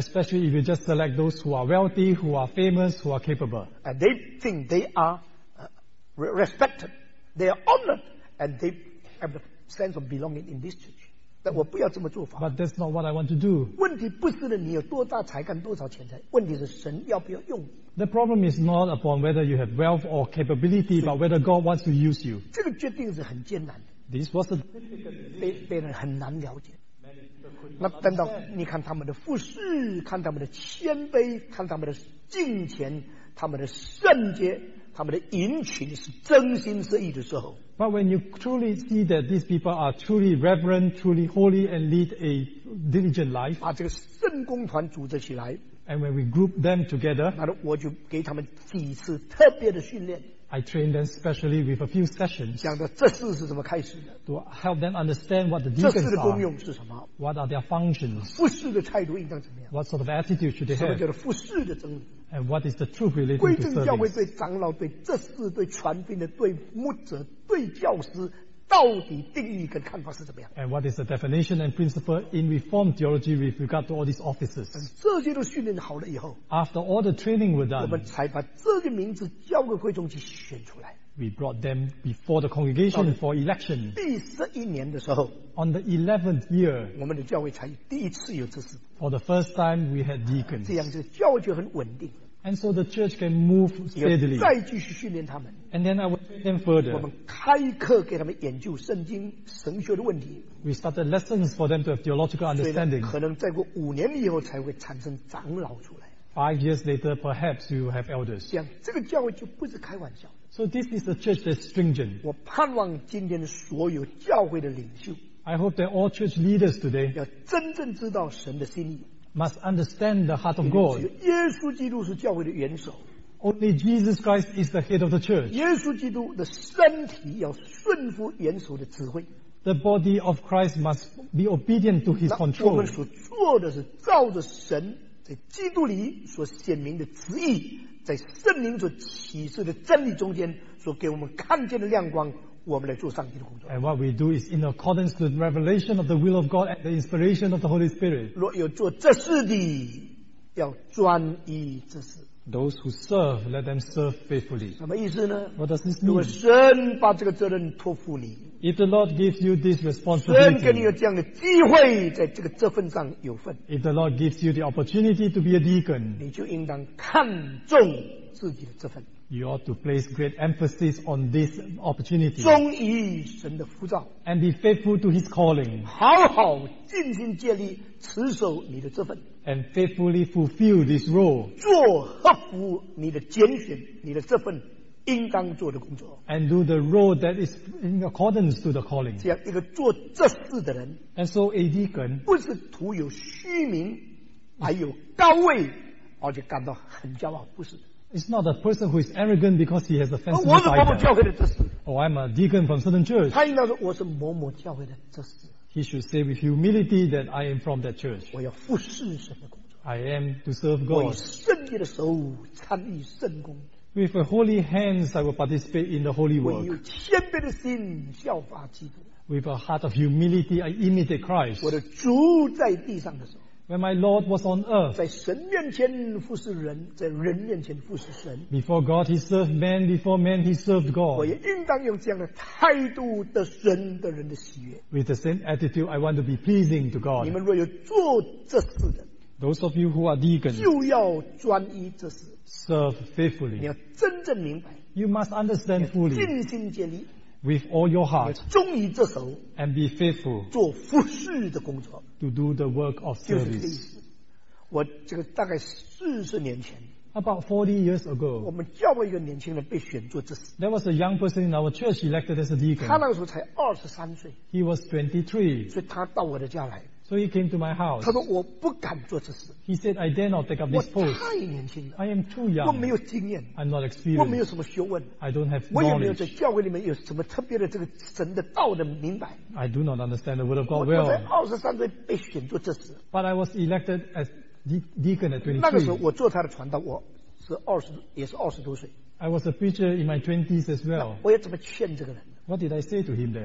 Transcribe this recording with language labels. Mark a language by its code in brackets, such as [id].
[en] Especially if you just select those who are wealthy, who are famous, who are capable. And they think they are respected, they are honored, and they have a sense of belonging in this church. [zh] That 我不要这么做法。 [en] But that's not what I want to do. [zh] 问题不是你有多大才干、多少钱财，问题是神要不要用。 [en] The problem is not upon whether you have wealth or capability, but whether God wants to use you. [zh] 这个决定是很艰难的。 [en] This was a [zh] 被人很难了解。那等到你看他们的服事，看他们的谦卑，看他们的敬虔，他们的圣洁，他们的殷勤是真心实意的时候。 [en] But when you truly see that these people are truly reverent, truly holy, and lead a diligent life, [zh] 把这个圣工团组织起来 [en] ，and when we group them together, [zh] 那我就给他们几次特别的训练。 [en] I trained them specially with a few sessions. [zh] 讲的这事是怎么开始的 [en] ？To help them understand what the deacons are. [zh] 这事的功用是什么 [en] ？What are their functions? [zh] 服事的态度应当怎么样 [en] ？What sort of attitude should they have? [zh] 什么叫做服事的真理 [en] ？And what is the truth related to service? [zh] 归正教会对长老、对执事、对传道人、对牧者、对教师到底定义跟看法是怎么样。 [en] And what is the definition and principle in Reformed theology with regard to all these offices? [zh] 这些都训练好了以后， [en] After all the training were done, [zh] 我们才把这个名字交给会众去选出来。 [en] We brought them before the congregation for election. [zh] 第十一年的时候， [en] On the 11th year, [zh] 我们的教会才第一次有执事。 [en] For the first time, we had deacons. [zh] 这样就教会就很稳定。 [en] And so the church can move steadily. [zh] 再继续训练他们。 [en] And then I would train them further. [zh] 我们开课给他们研究圣经神学的问题。 [en] We started lessons for them to have theological understanding. [zh] 可能再过五年以后才会产生长老出来。 [en] 5 years later, perhaps we will have elders. [zh] 这样，这个教会就不是开玩笑。 [en] So this is a church that's stringent. [zh] 我盼望今天所有教会的领袖。 [en] I hope that all church leaders today. [zh] 要真正知道神的心意。 [en] Must understand the heart of God. [zh] 只有耶稣基督是教会的元首。 [en] Only Jesus Christ is the head of the church. [zh] 耶稣基督的身体要顺服元首的指挥。 [en] The body of Christ must be obedient to his control. [zh] 我们所做的是照着神在基督里所显明的旨意，在圣灵所启示的真理中间所给我们看见的亮光。我们来做上帝的工作。 [en] And what we do is in accordance to the revelation of the will of God and the inspiration of the Holy Spirit. [zh] 若有做这事的，要专一这事。 [en] Those who serve, let them serve faithfully. [zh] 什么意思呢？ [en] What does this mean? [zh] 如果神把这个责任托付你， [en] If the Lord gives you this responsibility, [zh] 神给你有这样的机会，在这个这份上有份。 [en] If the Lord gives you the opportunity to be a deacon, [zh] 你就应当看重自己的这份。 [en] You ought to place great emphasis on this opportunity. [zh] 忠于神的呼召。 [en] And be faithful to his calling. [zh] 好好尽心竭力持守你的这份。 [en] And faithfully fulfill this role. [zh] 做合乎你的拣选，你的这份应当做的工作。 [en] And do the role that is in accordance to the calling. [zh] 这样一个做这事的人。 [en] And so a deacon. [zh] 不是徒有虚名，还有高位，而且感到很骄傲，不是。 [en] It's not a person who is arrogant because he has a fancy title. [zh] 我是某某教会的执事。 [en] Oh, I'm a deacon from certain church. [zh] 他应该说我是某某教会的执事。 [en] He should say with humility that I am from that church. [zh] 我要服侍神的工作。 [en] I am to serve God. [zh] 我以圣洁的手参与圣工。 [en] With holy hands, I will participate in the holy work. [zh] 我有谦卑的心效法基督。 [en] With a heart of humility, I imitate Christ. [zh] 我的主在地上的时候。 [en] When my Lord was on earth, [zh] 在神面前服侍人，在人面前服侍神。 [en] Before God, he served man. Before man, he served God. [zh] 我也应当用这样的态度得神的人的喜悦。 [en] With the same attitude, I want to be pleasing to God. [zh] 你们若有做这事的， [en] those of you who are deacons, [zh] 就要专一这事。 [en] Serve faithfully. [zh] 你要真正明白。 [en] You must understand fully. [zh] 尽心竭力。 [en] With all your heart, [zh] 忠于这手， [en] and be faithful, [zh] 做服侍的工作， [en] to do the work of service. [zh] 就是这意思。我这个大概40年前， [en] about 40 years ago, [zh] 我们教会一个年轻人被选做执事。 [en] There was a young person in our church elected as a deacon. [zh] 他那个时候才23岁。 [en] He was 23. [zh] 所以他到我的家来。 [en] So he came to my house. [zh] 他说我不敢做这事。 [en] He said, I dare not take up this post. [zh] 我太年轻了。 [en] I am too young. [zh] 我没有经验。 [en] I'm not experienced. [zh] 我没有什么学问。 [en] I don't have knowledge. [zh] 我也没有在教会里面有什么特别的这个神的道的明白。 [en] I do not understand the word of God well. [zh] 我在23岁被选做这事。 [en] But I was elected as deacon at 23. [zh] 那个时候我做他的传道，我是也是二十多岁。 [en] I was a preacher in my 20s as well. [zh] 我要怎么劝这个人？ [en] What did I say to him then?